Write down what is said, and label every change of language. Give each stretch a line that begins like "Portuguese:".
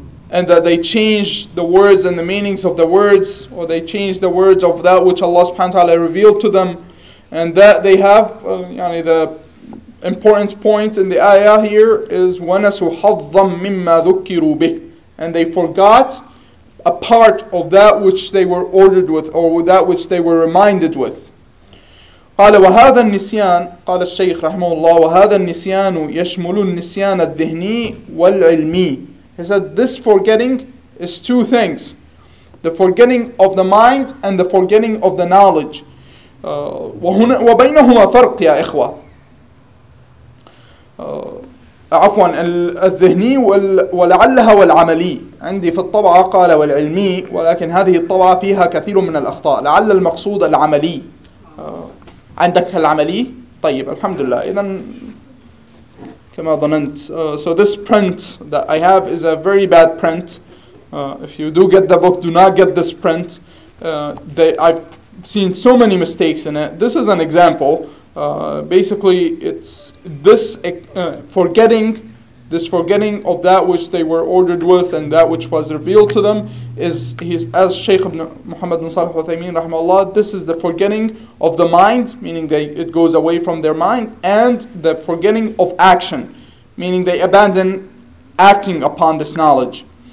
English: and that they changed the words and the meanings of the words, or they changed the words of that which Allah subhanahu wa ta'ala revealed to them, and that they have the important point in the ayah here is
Arabic: وَنَسُوا حَظًّا مِمَّا ذُكِّرُوا بِهِ,
English: and they forgot a part of that which they were ordered with, or that which they were reminded with.
Arabic: قال وهذا النسيان, قال الشيخ رحمه الله, وهذا النسيان يشمل النسيان الذهني والعلمي.
English: He said this forgetting is two things, the forgetting of the mind and the forgetting of the knowledge.
Arabic: وهنا وبينهما فرق يا إخوة. عفوا الذهني ولعلها والعملي, عندي في الطبعة قال والعلمي, ولكن هذه الطبعة فيها كثير من الأخطاء, لعل المقصود العملي. عندك العملي؟ طيب الحمد لله. إذن كما ظننت.
English: So this print that I have is a very bad print. If you do get the book, do not get this print. I've seen so many mistakes in it. This is an example. Basically, it's this forgetting of that which they were ordered with and that which was revealed to them is, he's, as Shaykh ibn Muhammad ibn Salih al-Uthaymeen rahimahullah, this is the forgetting of the mind, meaning they, it goes away from their mind, and the forgetting of action, meaning they abandon acting upon this knowledge.